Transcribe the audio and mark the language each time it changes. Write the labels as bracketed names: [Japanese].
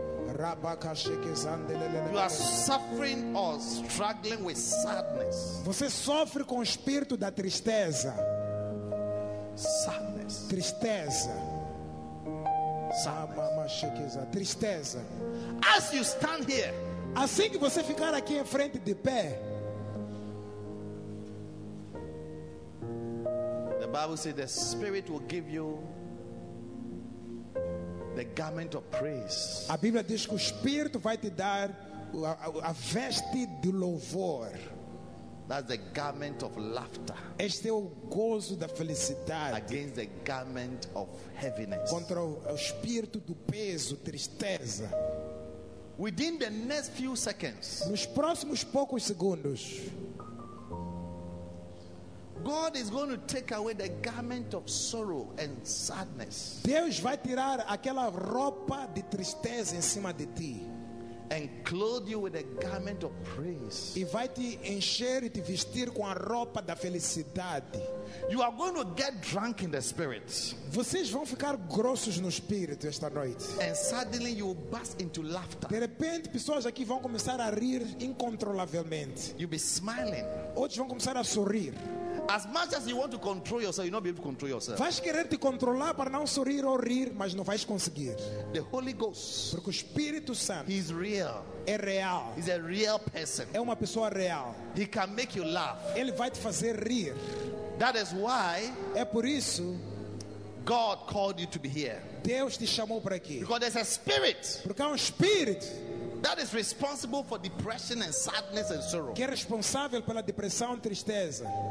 [English] You are suffering or struggling with sadness. [Portuguese] Você sofre com o espírito da tristeza. [English] Sadness. [Portuguese] Tristeza. [English] Sadness. [Portuguese] Tristeza. [English] As you stand here. [Portuguese] Assim que você ficar aqui em frente de pé. [English] The Bible says the Spirit will give you the garment of praise. [Portuguese] A Bíblia diz que o Espírito vai te dar a veste de louvor. [English] That's the garment of laughter. [Portuguese] Este é o gozo da felicidade. [English] Against the garment of heaviness. [Portuguese] Contra o espírito do peso, tristeza. [English] Within the next few seconds. [Portuguese] Nos próximos poucos segundos. [English] God is going to take away the garment of sorrow and sadness. [Portuguese] Deus vai tirar aquela roupa de tristeza em cima de ti. [English] And clothe you with a garment of praise. [Portuguese] E vai te encher e te vestir com a roupa da felicidade. [English] You are going to get drunk in the spirit. [Portuguese] Vocês vão ficar grossos no espírito esta noite. [English] And suddenly you will burst into laughter. [Portuguese] De repente, pessoas aqui vão começar a rir incontrolavelmente. [English] You'll be smiling. [Portuguese] Outros vão começar a sorrir. [English] As much as you want to control yourself, you'll not be able to control yourself. [Portuguese] Vais querer te controlar para não sorrir ou rir, mas não vais conseguir. [English] The Holy Ghost. [Portuguese] Porque o Espírito Santo. [English] He's real. [Portuguese] É real. [English] He's a real person. [Portuguese] É uma pessoa real. [English] He can make you laugh. [Portuguese] Ele vai te fazer rir. [English] That is why. [Portuguese] É por isso. [English] God called you to be here. [Portuguese] Deus te chamou para aqui. [English] Because there's a spirit. [Portuguese] Porque há um espírito. [English] That is responsible for depression and sadness and sorrow. [Portuguese] Que é responsável pela depressão, tristeza.